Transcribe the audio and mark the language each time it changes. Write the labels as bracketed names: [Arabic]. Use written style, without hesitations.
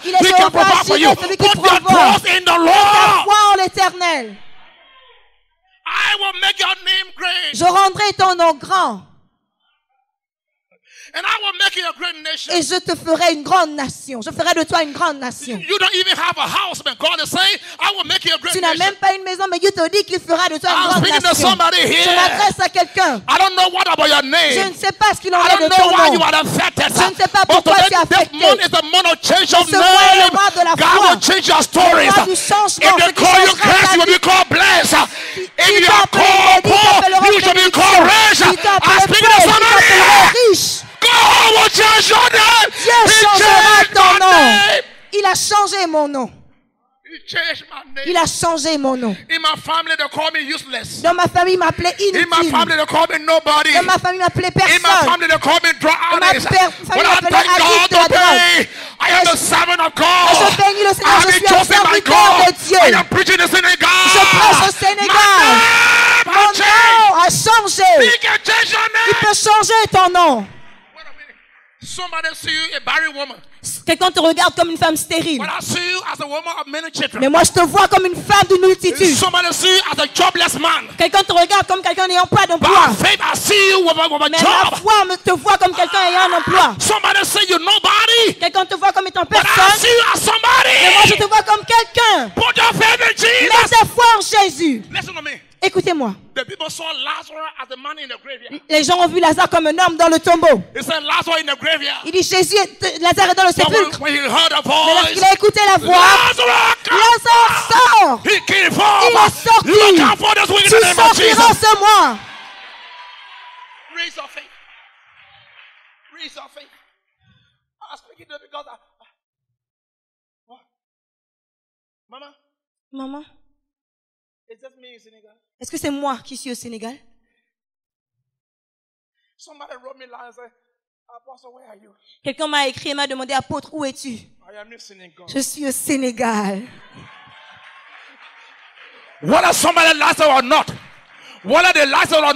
[English] He can provide for you. Put your trust in the Lord. I will make your name great. [French] Je rendrai ton nom grand. [English] And I will make you a great nation. [French] Et je te ferai une grande nation. Je ferai de toi une grande nation. [English] You don't even have a house, but God is saying, I will make you a great nation. [French] Tu n'as même pas une maison, mais Dieu te dit qu'il fera de toi une grande nation. [English] I'm speaking to somebody here. [French] Je m'adresse à quelqu'un. [English] I don't know what about your name. [French] Je ne sais pas ce qu'il en est de ton nom. [English] I don't know why you are affected. [French] Je ne sais pas pourquoi tu es affecté. [English] This month is a month of change of name. [French] Ce mois est le mois de la foi. [English] God will change your stories. [French] Il y aura du changement. [English] If they call you cursed, you will be called blessed. If you are called poor, you shall be called rich. I'm speaking to somebody here. God will change your name. [French] Dieu changera ton nom. Il a changé mon nom. [English] He changed my name. [French] Il a changé mon nom. [English] In my family, they call me useless. [French] Dans ma famille, ils m'appelaient inutile. [English] In my family, they call me nobody. [French] Dans ma famille, ils m'appelaient personne. [English] In my family, they call me dry artist. [French] Dans ma famille, ils m'appelaient addict de la drogue. [English] I am the servant of God. [French] Je suis un serviteur de Dieu. Sénégal. [English] I am preaching the Sénégal. [French] Je prêche au Sénégal. Mon nom a changé. Il peut changer ton nom. [English] Somebody see you a barren woman. [French] Quelqu'un te regarde comme une femme stérile. [English] But I see you as a woman of many children. [French] Mais moi, je te vois comme une femme d'une multitude. [English] Somebody see you as a jobless man. [French] Quelqu'un te regarde comme quelqu'un n'ayant pas d'emploi. [English] Faith, I see you with a [French] mais [English] job. [French] La foi te voit comme quelqu'un ayant un emploi. [English] Somebody see you nobody. [French] Quelqu'un te voit comme étant personne. [English] But I see you as somebody. [French] Mais moi, je te vois comme quelqu'un. [English] Put your faith in Jesus. [French] Mets ta foi en Jésus. [English] Listen to me. [French] Écoutez-moi. [English] The people saw Lazarus as a man in the graveyard. [French] Les gens ont vu Lazare comme un homme dans le tombeau. [English] He said, Lazarus in the graveyard. [French] Il dit Jésus, Lazare est dans le sépulcre. [English] When he heard a voice, [French] mais lorsqu'il a écouté la voix, Lazare sort. [English] He came forth. [French] Il est sorti. [English] Look out for this [French] tu sortiras sans moi. [English] Raise your faith. Raise your faith. I'm speaking to you because Maman. Is that me in Senegal? [French] Est-ce que c'est moi qui suis au Sénégal? [English] Somebody wrote me and said, Apostle, where are you? [French] Quelqu'un m'a écrit et m'a demandé, apôtre, où es-tu? [English] I am in Senegal. [French] Je suis au Sénégal. [English] Whether somebody likes it or not, whether they like it or not,